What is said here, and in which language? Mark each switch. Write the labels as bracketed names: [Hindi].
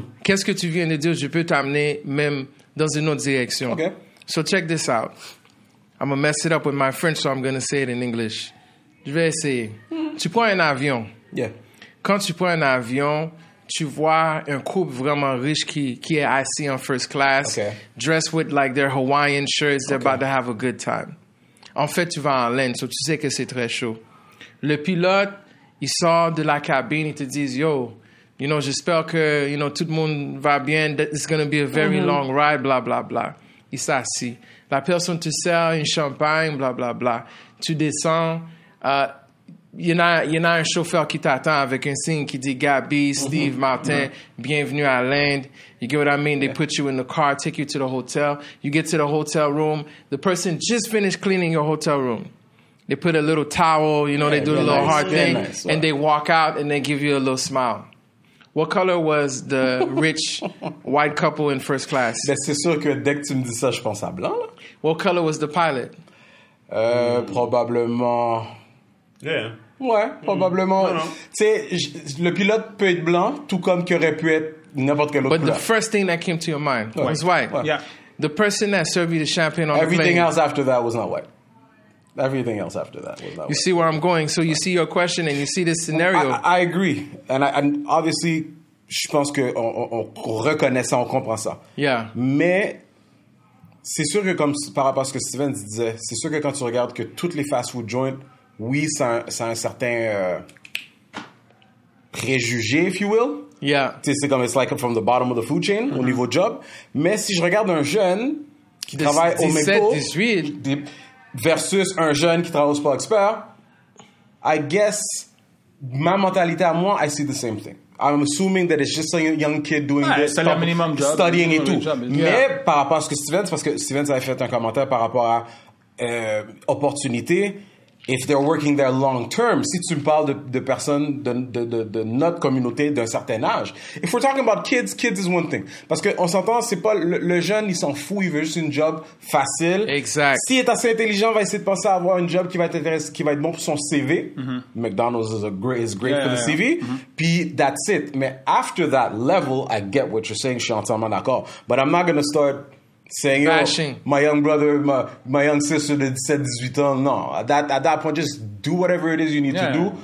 [French] Qu'est-ce que tu viens de dire? Je peux t'amener même dans une autre direction. Okay. [English] So check this out. I'm gonna mess it up with my French, so I'm gonna say it in English. [French] Je vais essayer. Tu prends un avion. [English] Yeah. [French] Quand tu prends un avion, tu vois un couple vraiment riche qui est assis en first class, [English] okay. Dressed with like their Hawaiian shirts, they're okay. About to have a good time. [French] En fait, tu vas en laine, so tu sais que c'est très chaud. Le pilote, il sort de la cabine, il te dit, yo, you know, j'espère que, you know, tout le monde va bien, [English] that it's going to be a very long ride, [French] blah, blah, blah. Il s'assit. La personne te sert une champagne, blah, blah, blah. Tu descends, il y en a un chauffeur qui t'attend avec un signe qui dit, Gabby, Steve, Martin, bienvenue à l'Inde. [English] You get what I mean? They put you in the car, take you to the hotel. You get to the hotel room. The person just finished cleaning your hotel room. They put a little towel, you know, they do the little nice, hard thing. Nice. Wow. And they walk out and they give you a little smile. What color was the rich white couple in first class? [French] Ben, c'est sûr que dès que tu me dis ça, je pense à blanc. Là. [English] What color was the pilot? [French] Probablement... [English] Yeah. [French] Ouais, probablement. Tu sais, le pilote peut être blanc, tout comme qu'il aurait pu être n'importe quel autre [English] But [French] couleur. [English] The first thing that came to your mind was white. [French] Ouais. Yeah. [English] The person that served you the champagne on Everything the plane. Else after that was not white. Everything else after that was not you white. You see where I'm going. So you see your question and you see this scenario. I agree. And obviously, [French] je pense qu'on reconnaît ça, on comprend ça. [English] Yeah. [French] Mais c'est sûr que comme par rapport à ce que Steven disait, c'est sûr que quand tu regardes que toutes les fast-food joints oui, c'est un certain préjugé, [English] if you will. Yeah. [French] T'sais, c'est comme, [English] it's like from the bottom of the food chain, [French] au niveau job. Mais si je regarde un jeune qui travaille au McDo, 17-18, versus un jeune qui travaille au Sport Expert, I guess, ma mentalité à moi, [English] I see the same thing. I'm assuming that it's just a young kid doing this, [French] c'est le minimum job, [English] studying minimum [French] et tout. Job, mais par rapport à ce que Steven, parce que Steven avait fait un commentaire par rapport à opportunité, [English] if they're working there long term, [French] si tu me parles de personnes de notre communauté d'un certain âge. [English] If we're talking about kids, kids is one thing. [French] Parce qu'on s'entend, c'est pas le jeune, il s'en fout, il veut juste une job facile. Exact. S'il est assez intelligent, il va essayer de penser à avoir une job qui va être bon pour son CV. [English] McDonald's is great for the CV. Puis that's it. Mais after that level, I get what you're saying, [French] je suis entièrement d'accord. [English] But I'm not going to start... Saying, oh, my young brother, my young sister [French] de 17-18 ans, non. [English] At that point, just do whatever it is you need to do.